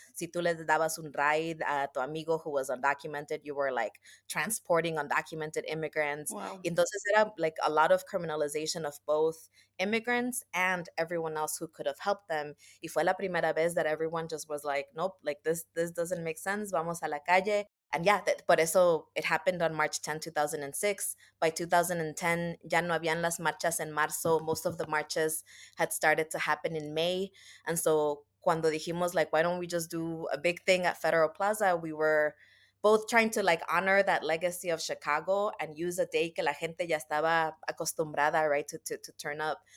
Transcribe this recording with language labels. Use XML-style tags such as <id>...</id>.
<es>Si tú le dabas un ride a tu amigo</es> <en>who was undocumented, you were like transporting undocumented immigrants. Wow.</en> <es>Entonces era</es> <en>like a lot of criminalization of both immigrants and everyone else who could have helped them.</en> <es>Y fue la primera vez</es> <en>that everyone just was like, nope, like this doesn't make sense.</en> <es>Vamos a la calle.</es> <en>And yeah, but eso, it happened on March 10, 2006.</en> <es>By 2010, ya no habían las marchas en marzo.</es> <en>Most of the marches had started to happen in May. And so</en> <es>cuando dijimos</es> <en>like, why don't we just do a big thing at Federal Plaza? We were both trying to like honor that legacy of Chicago and use a day</en> <es>que la gente ya estaba acostumbrada,</es> <en>right, to turn up.</en>